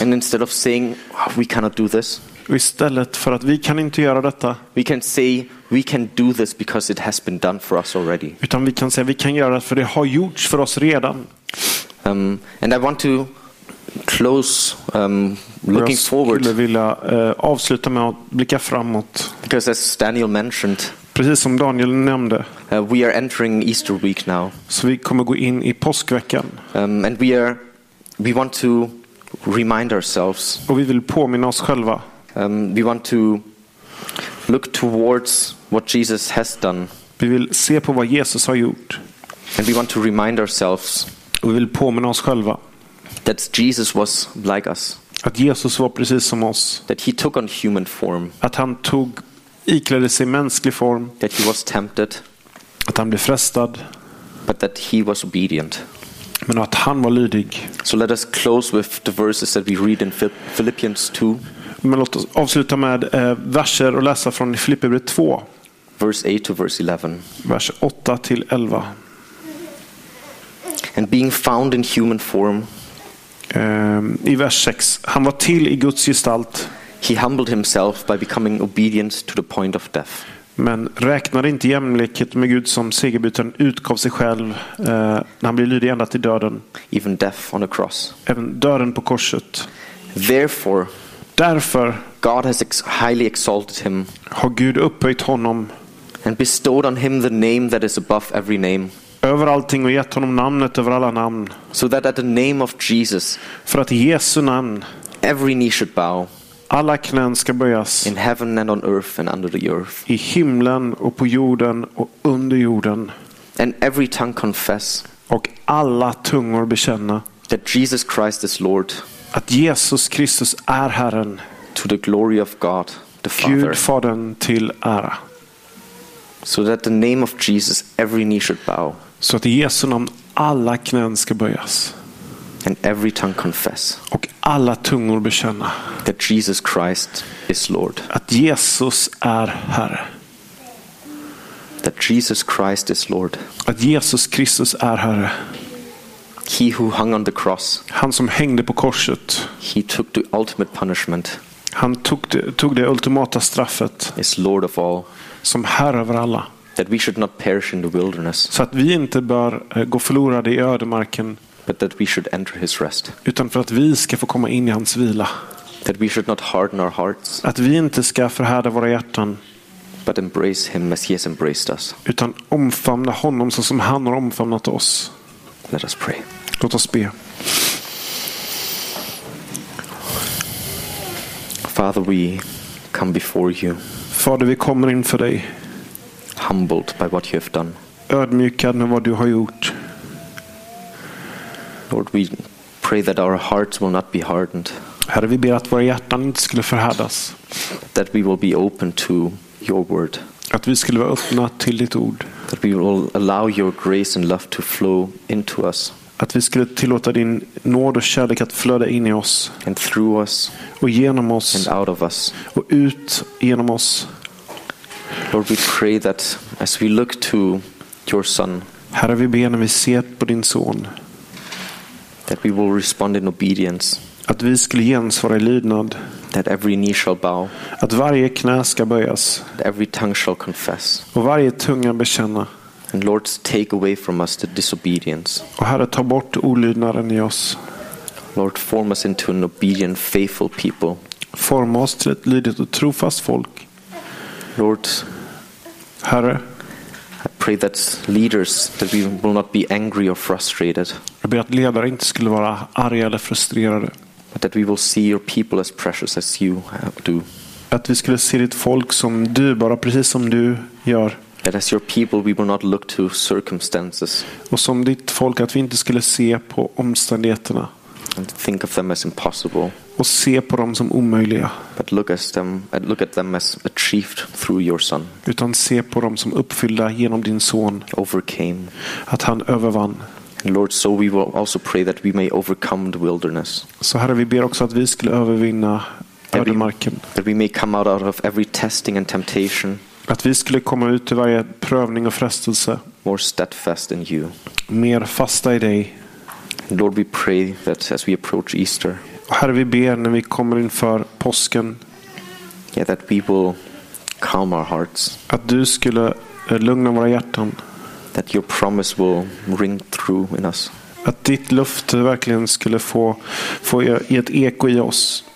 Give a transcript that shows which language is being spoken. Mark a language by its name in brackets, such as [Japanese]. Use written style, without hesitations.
[English] And instead of saying we cannot do this. [Swedish] Istället för att vi kan inte göra detta. [English] We can say we can do this because it has been done for us already. [Swedish] Utan vi kan säga vi kan göra det för det har gjorts för oss redan. [English] And I want to close looking forward. [Swedish] Jag vill avsluta med att blicka framåt. [English] Because as Daniel mentioned. [Swedish] Precis som Daniel nämnde. [English] We are entering Easter week now. [Swedish] Så vi kommer gå in i påskveckan. [English] And we want to remind ourselves. [Swedish] Och vi vill påminna oss själva. [English] We want to look towards what Jesus has done. [Swedish] Vi vill se på vad Jesus har gjort. [English] And we want to remind ourselves. [Swedish] Vi vill påminna oss själva. [English] That Jesus was like us. [Swedish] Att Jesus var precis som oss. [English] That he took on human form. [Swedish] Att han tog iklädde sig mänsklig form. [English] That he was tempted. [Swedish] Att han blev frestad. [English] But that he was obedient. [Swedish] Men att han var lydig. [English] So let us close with the verses that we read in Philippians 2. [Swedish] Men låt oss avsluta med verser och läsa från Filipperbrevet 2. [English] Verse 8 to verse 11. [Swedish] Vers 8 till 11. [English] And being found in human form. [Swedish] I vers 6. Han var till i Guds gestalt. [English] He humbled himself by becoming obedient to the point of death. [Swedish] Men räknade inte jämlikhet med Gud som segerbytaren, utgav sig själv när han blev lydig ända till döden. [English] Even death on a cross. [Swedish] Även döden på korset. [English] Therefore. [Swedish] Därför [English] God has highly exalted him. [Swedish] Har Gud upphöjt honom. [English] And bestowed on him the name that is above every name. [Swedish] Över allting och gett honom namnet över alla namn. [English] So that at the name of Jesus. [Swedish] För att i Jesu namn. [English] Every knee should bow. [Swedish] Alla knän ska böjas. [English] In heaven and on earth and under the earth. [Swedish] I himlen och på jorden och under jorden. [English] And every tongue confess. [Swedish] Och alla tungor bekänna. [English] That Jesus Christ is Lord. [Swedish] Att Jesus Kristus är Herren. [English] To the glory of God, the Father. [Swedish] Gud Fadern till ära. [English] So that the name of Jesus every knee should bow. [Swedish] Så att i Jesu namn alla knän ska böjas. [English] And every tongue confess. [Swedish] Och alla tungor bekänna. [English] That Jesus Christ is Lord. [Swedish] Att Jesus är Herre. [English] That Jesus Christ is Lord. [Swedish] Att Jesus Kristus är Herre. [English] He who hung on the cross. [Swedish] Han som hängde på korset. [English] He took the ultimate punishment. [Swedish] Han tog det ultimata straffet. [English] Is Lord of all. [Swedish] Som Herre över alla. [English] That we should not perish in the wilderness. [Swedish] Så att vi inte bör gå förlorade i ödemarken. [English] But that we should enter his rest. [Swedish] Utan för att vi ska få komma in i hans vila. [English] That we should not harden our hearts. [Swedish] Att vi inte ska förhärda våra hjärtan. [English] But embrace him as he has embraced us. [Swedish] Utan omfamna honom så som han har omfamnat oss. [English] Let us pray. [Swedish] Låt oss be. [English] Father, we come before you. [Swedish] Fader, vi kommer inför dig. [English] Humbled by what you have done. [Swedish] Ödmjukad med vad du har gjort. [English] Lord, we pray that our hearts will not be hardened. [Swedish] Herre, vi ber att våra hjärtan inte skulle förhärdas. [English] That we will be open to your word. [Swedish] Att vi skulle vara öppna till ditt ord. [English] That we will allow your grace and love to flow into us. [Swedish] Att vi skulle tillåta din nåd och kärlek att flöda in i oss. [English] And through us. [Swedish] Och genom oss. [English] And out of us. [Swedish] Och ut genom oss. [English] Lord, we pray that as we look to your son. [Swedish] Herre, vi ber när vi ser på din son. [English] That we will respond in obedience. [Swedish] Att vi skulle gensvara i lydnad. [English] That every knee shall bow. [Swedish] Att varje knä ska böjas. [English] That every tongue shall confess. [Swedish] Och varje tunga bekänna. [English] And Lord, take away from us the disobedience. [Swedish] Och Herre, ta bort olydnaden i oss. [English] Lord, form us into an obedient, faithful people. [Swedish] Forma oss till ett lydigt och trofast folk. [English] Lord, [Swedish] Herre, [English] I pray that leaders that we will not be angry or frustrated. [Swedish] Jag ber att ledare inte skulle vara arga eller frustrerade. [English] But that we will see your people as precious as you do. [Swedish] Att vi skulle se ditt folk som du, bara precis som du gör. [English] That as your people we will not look to circumstances. [Swedish] Och som ditt folk att vi inte skulle se på omständigheterna. [English] And think of them as impossible. [Swedish] Och se på dem som omöjliga. [English] But look at them as achieved through your son. [Swedish] Utan se på dem som uppfyllda genom din son. [English] Overcame. [Swedish] Att han övervann. [English] And Lord, so we will also pray that we may overcome the wilderness. [Swedish] Så Herre, vi ber också att vi skulle övervinna ödemarken. [English] That we may come out of every testing and temptation. [Swedish] Att vi skulle komma ut ur varje prövning och frestelse. [English] More steadfast in you. [Swedish] Mer fasta i dig. [English] And Lord, we pray that as we approach Easter. [Swedish] Och Herre, vi ber när vi kommer inför påsken. [English] Yeah, that we will calm our hearts. [Swedish] Att du skulle lugna våra hjärtan. [English] That your promise will ring through in us. [Swedish] Att ditt löfte verkligen skulle få ett eko i oss.